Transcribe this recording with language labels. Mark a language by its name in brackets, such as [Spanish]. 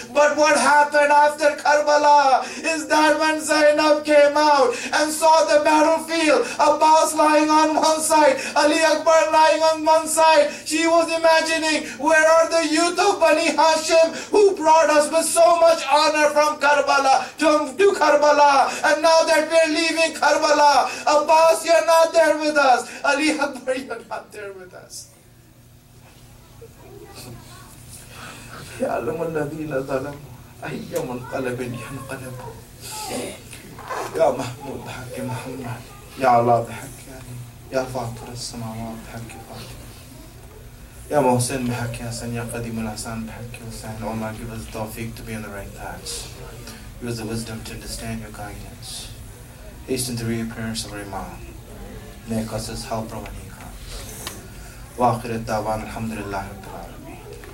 [English] But what happened after Karbala is that when Zainab came out and saw the battlefield, Abbas lying on one side, Ali Akbar lying on one side, she was imagining, where are the youth of Bani Hashim who brought us with so much honor from Karbala to Karbala? And now that we're leaving Karbala, Abbas, you're not there with us. Ali Akbar, you're not there with us. [Arabic] يعلم الذين ظلموا أي منقلب ينقلب يا محمود حق محمد يا الله بحق يا فاطر السماوات بحق فاطر يا محسن بحق حسن يا قديم الأحسان بحق حسن اللهم [English] give us [Arabic] التوفيق [English] to be on the right path. Give us the wisdom to understand your guidance. Hasten the reappearance of our Imam. Make us his helper when he comes. [Arabic] وآخر الدعوان الحمد لله رب العالمين.